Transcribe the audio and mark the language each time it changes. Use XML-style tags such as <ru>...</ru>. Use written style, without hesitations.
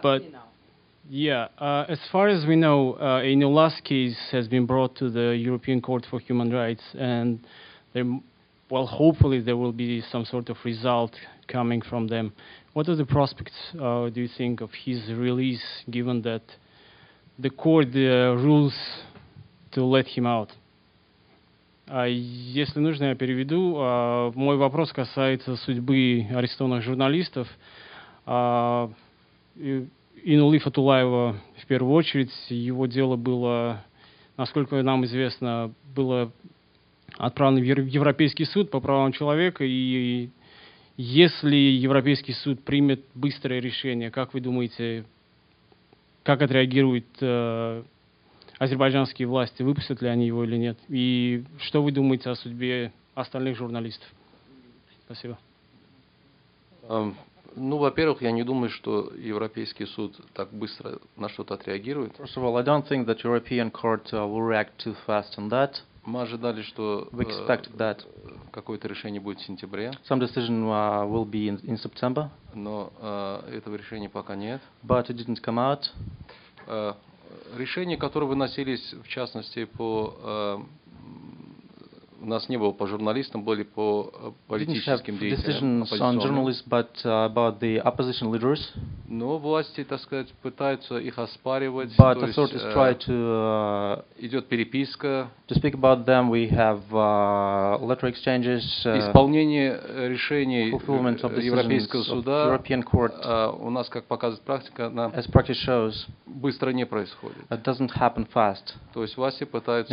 <en>but yeah, as far as we know, Einullah's case has been brought to the European Court for Human Rights, and hopefully there will be some sort of result coming from them. What are the prospects, do you think, of his release, given that the court rules to let him out?</en> <ru>Если нужно, я переведу. Мой вопрос касается судьбы арестованных журналистов. Инули Фатулаева в первую очередь. Его дело было, насколько нам известно, было отправлено в Европейский суд по правам человека. И если Европейский суд примет быстрое решение, как вы думаете, как отреагирует азербайджанские власти, выпустят ли они его или нет? И что вы думаете о судьбе остальных журналистов? Спасибо. Ну, во-первых, я не думаю, что Европейский суд так быстро на что-то отреагирует.</ru> <en>First of all, I don't think that European court will react too fast on that.</en> <ru>Мы ожидали, что какое-то решение будет в сентябре.</ru> <en>Some decision will be in September.</en> <ru>Но этого решения пока нет.</ru> <en>But it didn't come out.</en> <ru>Решения, которые выносились, в частности, по у нас не было по журналистам, были по политическим деятелям,</ru> <en>on journalists, but about the opposition leaders.</en> <ru>Но власти, так сказать, пытаются их оспаривать.</ru> <en>But authorities try to</en> <ru>идет переписка.</ru> <en>To speak about them, we have letter exchanges.</en> <ru>Исполнение решений Европейского суда.</ru> <en>European court.</en> <ru>У нас, как показывает практика, на</ru> <en>as practice shows,</en> <ru>быстро не происходит.</ru> <en>It doesn't happen fast.</en> <ru>То есть власти пытаются</ru>